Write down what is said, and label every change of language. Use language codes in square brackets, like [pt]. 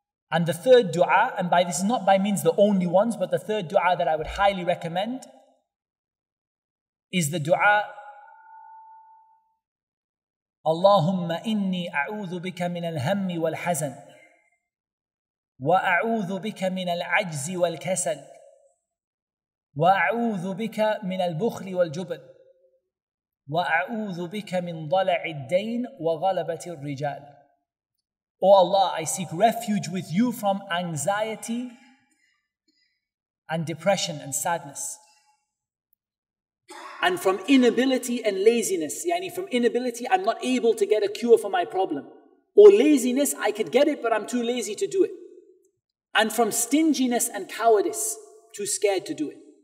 [en] And the third dua, and by this is not by means the only ones, but the third dua that I would highly recommend is the dua, [ar] Allahumma inni a'udhu bika min al-hammi wal-hazan وأعوذ بك من العجز والكسل وأعوذ بك من البخل والجبن وأعوذ بك من ضلع الدين وغلبة الرجال. [en] O Allah, I seek refuge with you from anxiety and depression and sadness, and from inability and laziness. Yani from inability, I'm not able to get a cure for my problem. Or laziness, I could get it, but I'm too lazy to do it. And from stinginess and cowardice, too scared to do it.